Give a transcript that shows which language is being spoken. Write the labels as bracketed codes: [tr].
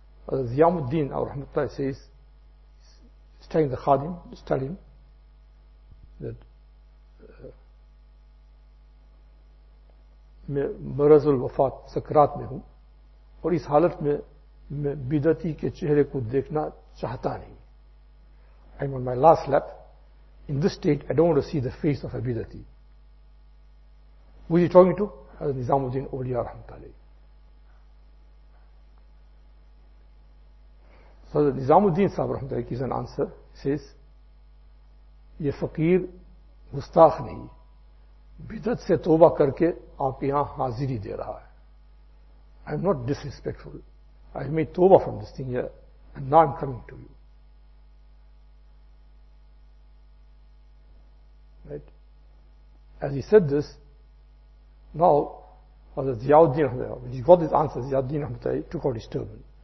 [en] Ziyamuddin, our Rahmatullah, says, he's telling the Khadim, he's telling that [ur] میں مرض الوفات سکرات میں ہوں اور اس حالت میں بدعتی کے چہرے کو دیکھنا چاہتا نہیں. [en] I'm on my last lap. In this state, I don't want to see the face of a bidati. Who is he talking to? Hazrat Nizamuddin Awliya Rahmatullah. So Hazrat Nizamuddin Sahab Rahmatullah gives an answer. He says, [ur] یہ فقیر مستاخ نہیں, بدعت سے توبہ کر کے آپ یہاں حاضری دے رہا ہے. [en] I'm not disrespectful. I've made tawbah from this thing here, and now I'm coming to you. Right? As he said this, now, Ziyauddin, when he got this answer, Ziyauddin took out his turban.